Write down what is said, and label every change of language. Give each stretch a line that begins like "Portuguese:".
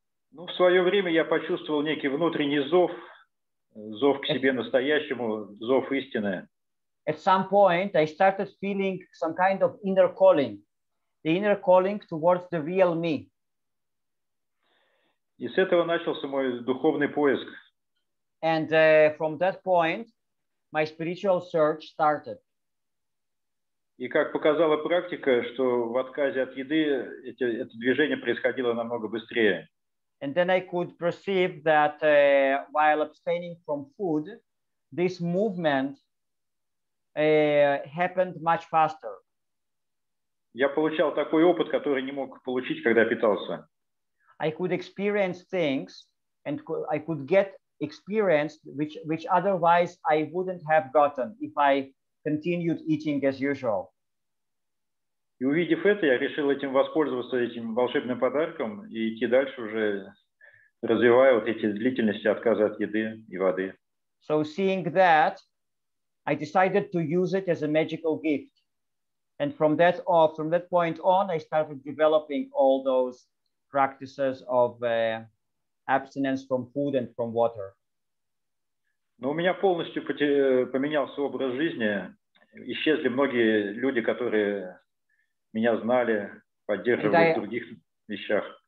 Russian: Ну, в свое время я почувствовал некий внутренний зов. Зов к себе настоящему, зов истины.
English: At some point I started feeling some kind of inner calling. The inner calling towards the real me.
Russian: И с этого начался мой духовный поиск.
English: And from that point my spiritual search started.
Russian: И как показала практика, что в отказе от еды это движение происходило намного быстрее.
English: And then I could perceive that while abstaining from food, this movement happened much faster.
Russian: Я получал такой опыт, который не мог получить, когда питался.
English: I could experience things and I could get experienced which otherwise I wouldn't have gotten if I continued eating as usual.
Russian: И увидев это, я решил этим воспользоваться, этим волшебным подарком, и идти дальше уже, развивая вот эти длительности отказа от еды и воды.
English: So seeing that, I decided to use it as a magical gift. And from that point on, I started developing all those practices of abstinence from food and from water.
Russian: Но у меня полностью поменялся образ жизни. Исчезли многие люди, которые меня знали, поддерживали в других вещах.